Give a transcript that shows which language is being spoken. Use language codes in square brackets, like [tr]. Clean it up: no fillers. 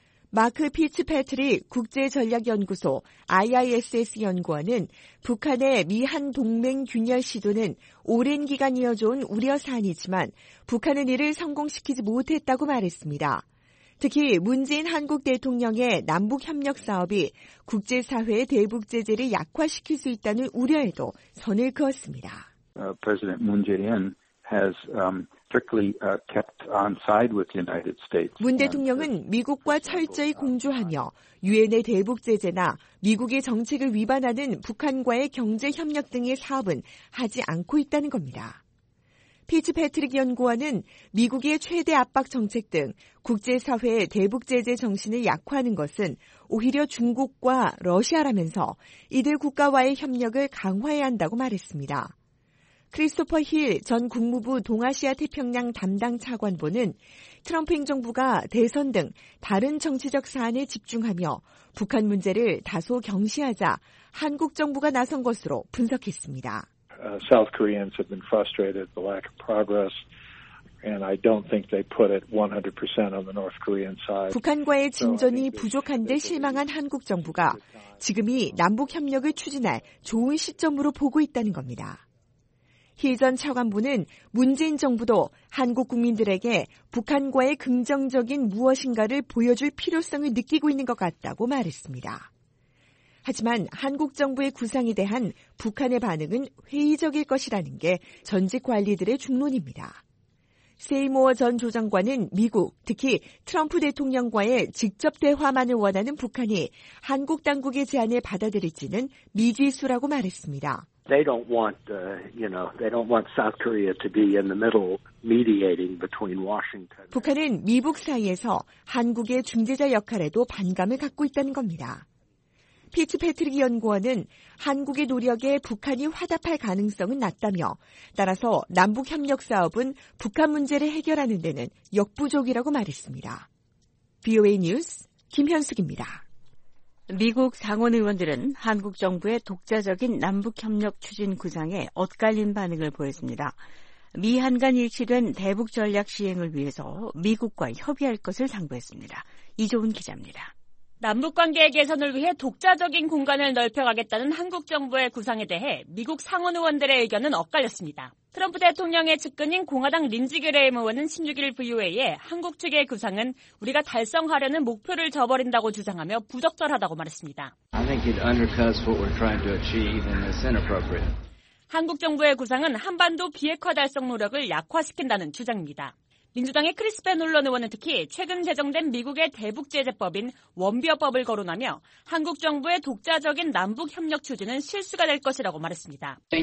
[ko] 마크 피츠패트릭 국제전략연구소 IISS 연구원은 북한의 미한 동맹 균열 시도는 오랜 기간 이어져온 우려 사안이지만 북한은 이를 성공시키지 못했다고 말했습니다. 특히 문재인 한국 대통령의 남북협력 사업이 국제사회의 대북 제재를 약화시킬 수 있다는 우려에도 선을 그었습니다. [en] President Moon Jae-in has strictly kept on side with the United States. [ko] 문 대통령은 미국과 철저히 공조하며 유엔의 대북 제재나 미국의 정책을 위반하는 북한과의 경제협력 등의 사업은 하지 않고 있다는 겁니다. 피츠패트릭 연구원은 미국의 최대 압박 정책 등 국제사회의 대북 제재 정신을 약화하는 것은 오히려 중국과 러시아라면서 이들 국가와의 협력을 강화해야 한다고 말했습니다. 크리스토퍼 힐 전 국무부 동아시아 태평양 담당 차관보는 트럼프 행정부가 대선 등 다른 정치적 사안에 집중하며 북한 문제를 다소 경시하자 한국 정부가 나선 것으로 분석했습니다. [en] South Koreans have been frustrated at the lack of progress, and I don't think they put it 100% on the North Korean side. [ko] 북한과의 진전이 부족한데 실망한 한국 정부가 지금이 남북 협력을 추진할 좋은 시점으로 보고 있다는 겁니다. 힐 전 차관부는 문재인 정부도 한국 국민들에게 북한과의 긍정적인 무엇인가를 보여줄 필요성을 느끼고 있는 것 같다고 말했습니다. 하지만 한국 정부의 구상에 대한 북한의 반응은 회의적일 것이라는 게 전직 관리들의 중론입니다. 세이모어 전 조장관은 미국, 특히 트럼프 대통령과의 직접 대화만을 원하는 북한이 한국 당국의 제안을 받아들일지는 미지수라고 말했습니다. [en] They don't want, you know, they don't want South Korea to be in the middle mediating between Washington. [ko] 북한은 미북 사이에서 한국의 중재자 역할에도 반감을 갖고 있다는 겁니다. 피츠패트릭 연구원은 한국의 노력에 북한이 화답할 가능성은 낮다며 따라서 남북협력 사업은 북한 문제를 해결하는 데는 역부족이라고 말했습니다. VOA 뉴스 김현숙입니다. 미국 상원 의원들은 한국 정부의 독자적인 남북협력 추진 구상에 엇갈린 반응을 보였습니다. 미한 간 일치된 대북 전략 시행을 위해서 미국과 협의할 것을 당부했습니다. 이종훈 기자입니다. 남북관계 개선을 위해 독자적인 공간을 넓혀가겠다는 한국 정부의 구상에 대해 미국 상원 의원들의 의견은 엇갈렸습니다. 트럼프 대통령의 측근인 공화당 린지 그레임 의원은 16일 VOA에 한국 측의 구상은 우리가 달성하려는 목표를 저버린다고 주장하며 부적절하다고 말했습니다. [en] I think it undercuts what we're trying to achieve and it's inappropriate. [ko] 한국 정부의 구상은 한반도 비핵화 달성 노력을 약화시킨다는 주장입니다. 민주당의 크리스 베놀런 의원은 특히 최근 제정된 미국의 대북제재법인 원비어법을 거론하며 한국 정부의 독자적인 남북협력 추진은 실수가 될 것이라고 말했습니다.